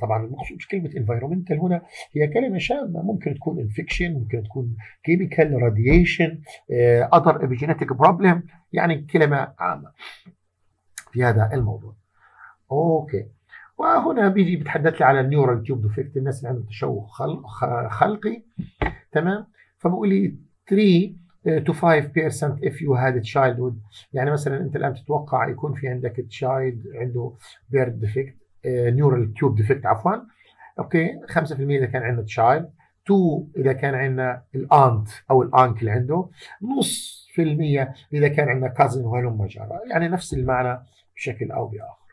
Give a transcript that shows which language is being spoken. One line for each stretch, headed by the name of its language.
Arabic: طبعا المقصود كلمة environmental هنا هي كلمة شاملة، ممكن تكون infection، ممكن تكون chemical radiation،
English: other epigenetic problem،
Arabic: يعني كلمة عامة في هذا الموضوع. اوكي، وهنا بيجي بتحدث لي على neural tube defect، الناس اللي عندهم تشوه خلقي تمام، فبقول لي 3
English: to 5% if you had a childhood.
Arabic: يعني مثلا انت الان تتوقع يكون في عندك تشايلد عنده بيرد ديفكت نيورال تيوب ديفكت عفوا، اوكي 5% اذا كان عندنا تشايلد، 2 اذا كان عندنا الانت او الانكل عنده، نص في المية اذا كان عندنا كازن وهلم جارة، يعني نفس المعنى بشكل او باخر.